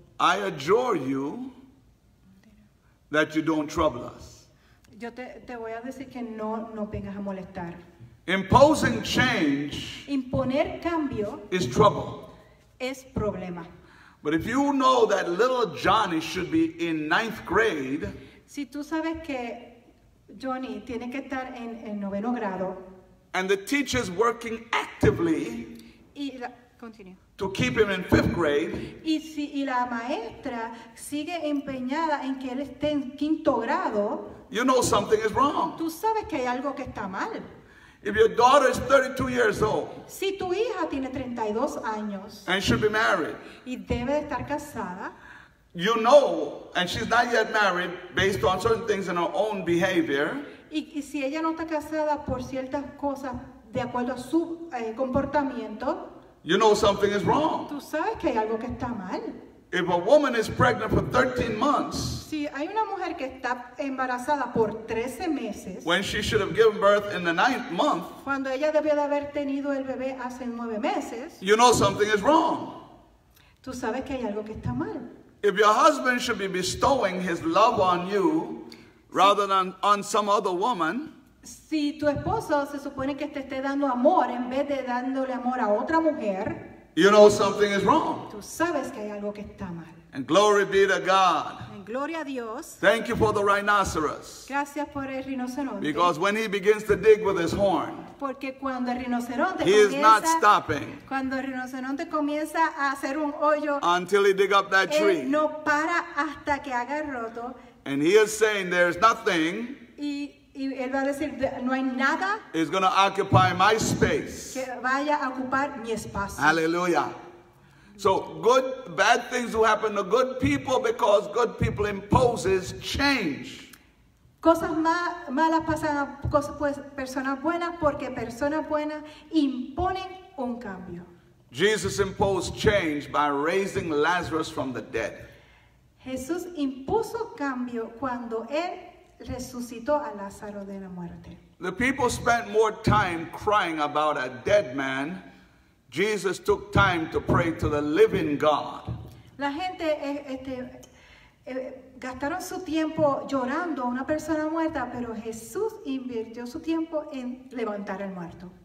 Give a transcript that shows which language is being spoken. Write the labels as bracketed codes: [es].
[en] I adjure you that you don't trouble us. [es] Yo te voy a decir que no vengas a molestar. [en] Imposing change, [es] imponer cambio, [en] is trouble. [es] Es problema. [en] But if you know that little Johnny should be in ninth grade, [es] si tú sabes que Johnny tiene que estar en noveno grado, [en] and the teacher's working actively to keep him in fifth grade, [es] y si y la maestra sigue empeñada en que él esté en quinto grado, [en] you know something is wrong. [es] Tú sabes que hay algo que está mal. [en] If your daughter is 32 years old, [es] si tu hija tiene 32 años, [en] and should be married, [es] y debe de estar casada, [en] you know, and she's not yet married based on certain things in her own behavior, [es] y si ella no está casada por ciertas cosas de acuerdo a su comportamiento, [en] you know something is wrong. [es] Tú sabes que hay algo que está mal. [en] If a woman is pregnant for 13 months, [es] si hay una mujer que está embarazada por 13 meses, [en] when she should have given birth in the ninth month, [es] cuando ella debió de haber tenido el bebé hace 9 meses, [en] you know something is wrong. [es] Tú sabes que hay algo que está mal. [en] If your husband should be bestowing his love on you, rather than on some other woman, [es] si tu esposo se supone que te esté dando amor en vez de dándole amor a otra mujer, [en] you know something is wrong. [es] Tú sabes que hay algo que está mal. [en] And glory be to God. [es] En gloria a Dios. [en] Thank you for the rhinoceros. [es] Gracias por el rinoceronte. [en] Because when he begins to dig with his horn, [es] porque cuando el rinoceronte [en] he [es] comienza, [en] is not stopping. [es] Cuando el rinoceronte comienza a hacer un hoyo, [en] until he dig up that [es] él [en] tree. [es] No para hasta que haga roto. [en] And he is saying there's nothing [es] y él va a decir, no hay nada [en] is going to occupy my space. [es] Que vaya a ocupar mi espacio. [en] Hallelujah. So good, bad things will happen to good people because good people imposes change. [es] Cosas malas pasan a personas buenas porque personas buenas imponen un cambio. [en] Jesus imposed change by raising Lazarus from the dead. [es] Jesús impuso cambio cuando él resucitó a Lázaro de la muerte. [en] The people spent more time crying about a dead man. Jesus took time to pray to the living God. [es] La gente gastaron su tiempo llorando a una persona muerta, pero Jesús invirtió su tiempo en levantar al muerto.